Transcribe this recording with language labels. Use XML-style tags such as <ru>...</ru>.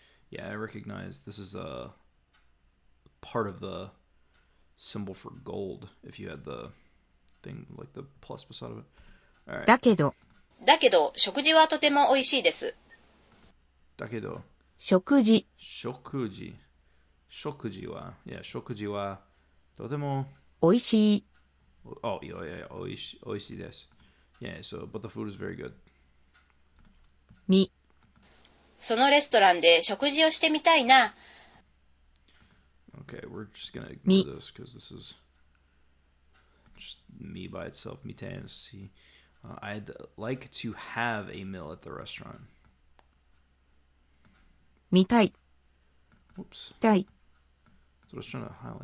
<en>Yeah, I recognize this is a part of the symbol for gold if you had the thing, like the plus beside of it. Alright.</en> <ja>だけど、食事はとても美味しいです。だけど、食事。食事は、食事はとても、美味しい。 oh, yeah, おいしいです。</ja> <en>Yeah, so, but the food is very good.</en> <ja>そのレストランで食事をしてみたいな。</ja> <en>Okay, we're just gonna ignore</en> <ja>み。</ja> <en>this because this is just me by itself, me tansy. I'd like to have a meal at the restaurant.</en> <ja>みたい。</ja> <en>Whoops.</en> <ja>たい。</ja> <en>So I was trying to highlight.</en>